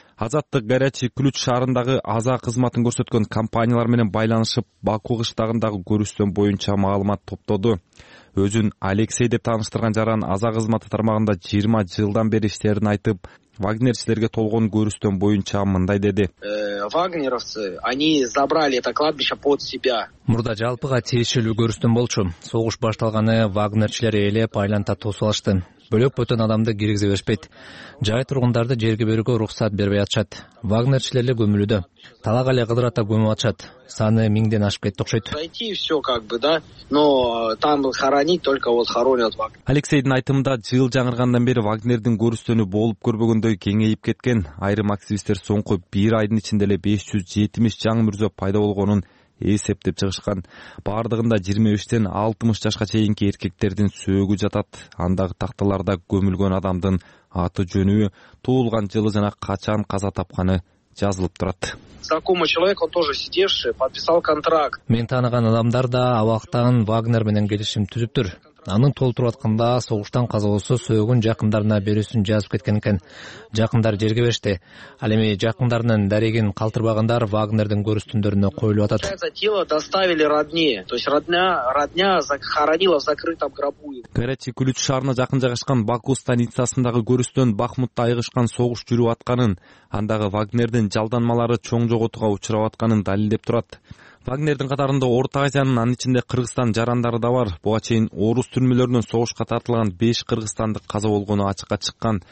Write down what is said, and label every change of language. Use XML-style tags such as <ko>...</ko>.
<ky>Азаттык Горячий Ключ шаарындагы аза кызматын көрсөткөн компаниялар менен байланышып, Баку кыштагындагы көрүштөн боюнча маалымат топтоду. Өзүн Алексей деп тааныштырган жаран аза кызматы тармагында 20 жылдан бери иштерин айтып, вагнерчилерге толгон көрүштөн боюнча мындай деди.</ky> <ru>Вагнеровцы, они забрали это кладбище под себя.</ru> <ky>Мурда жалпыга тиешелүү көрүштөн болчу. Согуш башталганы вагнерчилер ээлеп айланта тосулашты. Бөлөк бөтөн адамды киргизе беришпейт. Жай тургундарды жерге берүүгө уруксат бербей атышат. Вагнерчилер эле көмүлүүдө. Талак эле кыдырата көмүп атышат. Саны миңден ашып кетти окшойт.</ky> <ru>Пройти все как бы, да, но там был хоронить, только вот хоронят Вагнер.</ru> <ky>Алексейдин айтымында жыл жаңыргандан бери Вагнердин көрүстөнү болуп көрбөгөндөй кеңейип кеткен. Айрым активисттер соңку бир айдын ичинде эле 570 жаң мүрзө пайда болгонун эсептеп чыгышкан. Бардыгында 25-тен 60 жашка чейинки эркектердин сөөгү жатат. Андагы такталарда көмүлгөн адамдын аты жөнү, туулган жылы жана качан каза тапканы жазылып турат.</ky> <ru>Знакомый человек, он тоже сидевший, подписал контракт.</ru> <ky>Мен тааныган адамдар да абактан Вагнер менен келишим түзүптүр. Анын толтуруп атканда согуштан каза болсо сөөгүн жакындарына берүүсүн жазып кеткен экен. Жакындар жерге беришти. Ал эми жакындарынын дарегин калтырбагандар Вагнердин көрүстүндөрүнө коюлуп атат.</ky> <ru>Тело доставили родне. То есть родня захоронила в закрытом гробу.</ru> <ky>Горячий Ключ шаарына жакын жайгашкан Баку станицасындагы көрүстөн Бахмутта айгышкан согуш жүрүп атканын, андагы Вагнердин жалданмалары чоң жоготууга учурап атканын далилдеп турат. Вагнердин катарында Орто Азиянын анын ичинде Кыргызстан жарандары да бар. Буга чейин орус түрмөлөрүнөн согушка тартылган 5 кыргызстандык каза болгону ачыкка чыккан.</ky>